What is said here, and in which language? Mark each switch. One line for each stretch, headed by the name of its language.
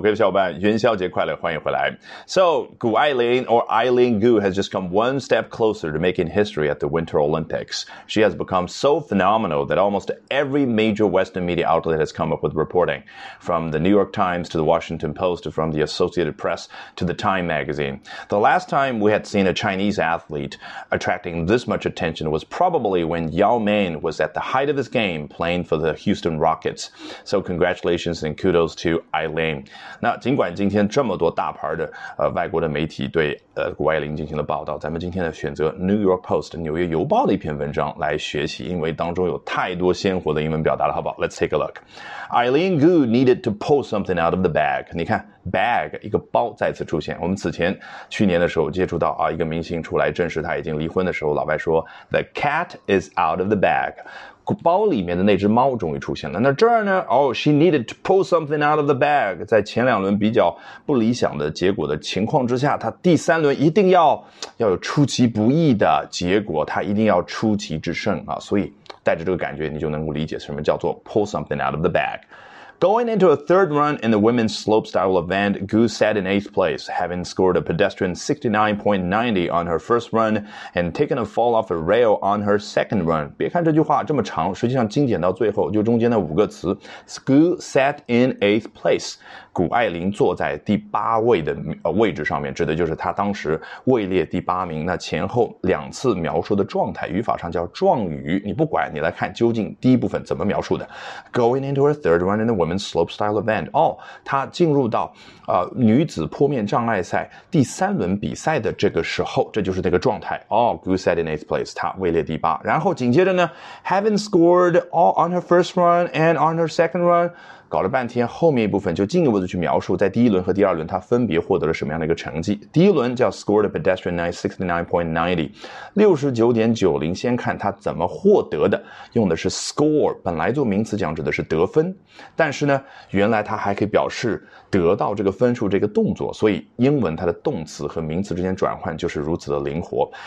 Chinese: 各位小伙伴, 元宵节快乐, 欢迎回来。
English: So, Guilin or Eileen Gu has just come one step closer to making history at the Winter Olympics. She has become so phenomenal that almost every major Western media outlet has come up with reporting, from the New York Times to the Washington Post, from the Associated Press to the Time magazine. The last time we had seen a Chinese athlete attracting this much attention was probably when Yao Ming was at the height of his game playing for the Houston Rockets. So congratulations and kudos to Eileen.
Chinese: 那尽管今天这么多大牌的外国的媒体对谷爱凌进行了报道，咱们今天呢选择 New York Post 纽约邮报的一篇文章来学习，因为当中有太多鲜活的英文表达了，好不好 ？
English: Let's take a look. Eileen Gu needed to pull something out of the bag.
Chinese: 你看 bag 一个包再次出现。我们此前去年的时候接触到一个明星出来证实他已经离婚的时候，老外说
English: the cat is out of the bag.
Chinese: 包里面的那只猫终于出现了。那这儿呢
English: ？Oh, she needed to pull something out of the bag.
Chinese: 在前两轮比较不理想的结果的情况之下，她第三轮一定要有出其不意的结果，她一定要出奇制胜啊！所以带着这个感觉，你就能够理解什么叫做
English: pull something out of the bag. Going into a third run in the women's slopestyle event, Gu sat in eighth place, having scored a pedestrian 69.90 on her first run and taken a fall off a rail on her second run.
Chinese: 别看这句话这么长，实际上精简到最后，就中间的五个词 ,
English: Gu sat in eighth place,
Chinese: 谷爱凌坐在第八位的位置上面，指的就是她当时位列第八名，那前后两次描述的状态，语法上叫状语，你不管，你来看究竟第一部分怎么描述的。
English: Going into a third run in the Women's slopestyle event.
Chinese: 哦，她进入到女子坡面障碍赛第三轮比赛的这个时候，这就是那个状态。
English: 哦 ，Gu sat in eighth place.
Chinese: 她位列第八。然后紧接着呢
English: ，having scored all on her first run and on her second run.
Chinese: 搞了半天，后面一部分就进一步的去描述，在第一轮和第二轮她分别获得了什么样的一个成绩。第一轮叫
English: scored a pedestrian 69.90,
Chinese: 先看她怎么获得的，用的是 score， 本来做名词讲指的是得分，但但是呢，原来它还可以表示得到这个分数这个动作，所以英文它的动词和名词之间转换就是如此的灵活。